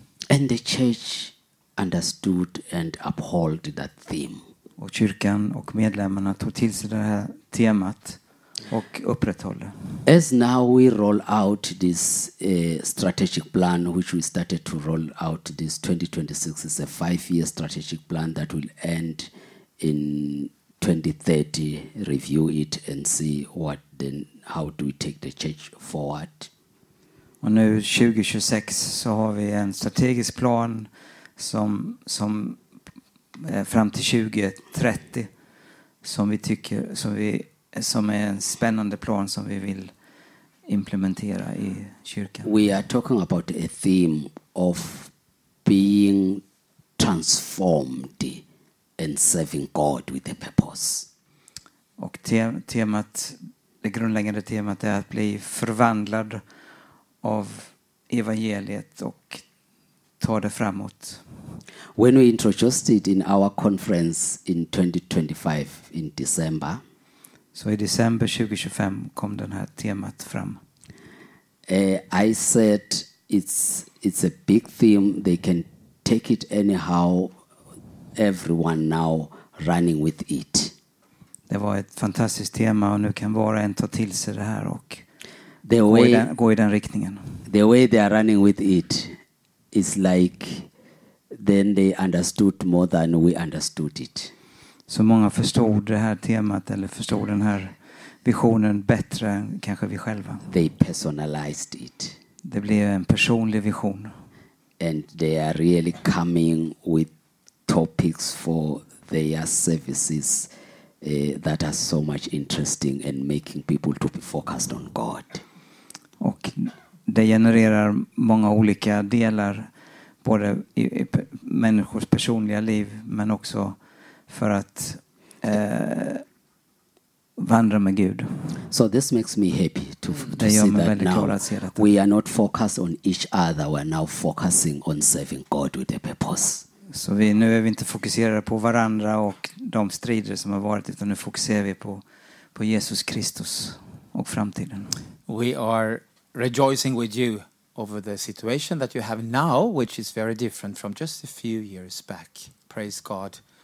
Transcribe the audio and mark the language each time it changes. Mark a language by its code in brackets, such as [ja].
[en] And the church understood and upheld that theme. [sv] Och kyrkan och medlemmarna tog till sig det här temat och upprätthåller. [en] As now we roll out this strategic plan, which we started to roll out this 2026, is a 5-year strategic plan that will end in 2030. Review it and see what then, how do we take the church forward. [sv] Och nu 2026 så har vi en strategisk plan som fram till 2030 som är en spännande plan som vi vill implementera i kyrkan. [en] We are talking about a theme of being transformed and serving God with a purpose. [sv] Och temat, det grundläggande temat, är att bli förvandlad av evangeliet och ta det framåt. [en] When we introduced it in our conference in 2025 in December. [sv] Så i december 2025 kom den här temat fram. [en] I said it's a big theme. They can take it anyhow. Everyone now running with it. [sv] Det var ett fantastiskt tema och nu kan var och en ta till sig det här och gå i den riktningen. [en] The way they are running with it is like then they understood more than we understood it. [sv] Så många förstod det här temat eller förstod den här visionen bättre än kanske vi själva. [en] They personalized it. [sv] Det blev en personlig vision. [en] And they are really coming with topics for their services that are so much interesting and making people to be focused on God. [sv] Och det genererar många olika delar, både i människors personliga liv men också för att vandra med Gud. [en] So this makes me happy to see that now we are not focused on each other, we are now focusing on serving God with a purpose. [sv] Så vi, nu är vi inte fokuserade på varandra och de strider som har varit, utan nu fokuserar vi på Jesus Kristus och framtiden. [en] We are rejoicing with you over the situation that you have now, which is very different from just a few years back. Praise God.